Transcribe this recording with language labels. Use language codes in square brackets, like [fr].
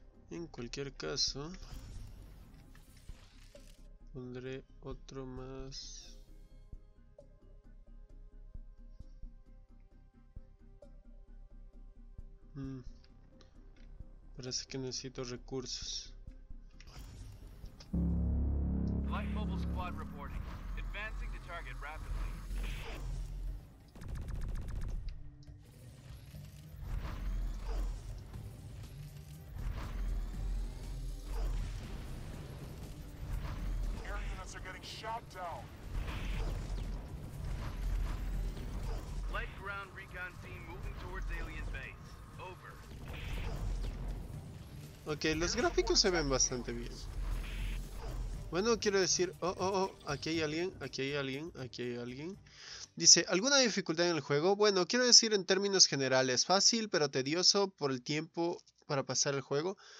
[es] En cualquier caso, pondré otro más. Parece que necesito recursos. [en] Light Mobile Squad reporting. Advancing to target rapidly. Air units are getting shot down. Light ground recon team moving towards alien base. Over. [es] Okay, los gráficos se ven bastante bien. Bueno, quiero decir, aquí hay alguien, aquí hay alguien, aquí hay alguien. Dice, ¿alguna dificultad en el juego? Bueno, quiero decir en términos generales, fácil pero tedioso por el tiempo para pasar el juego.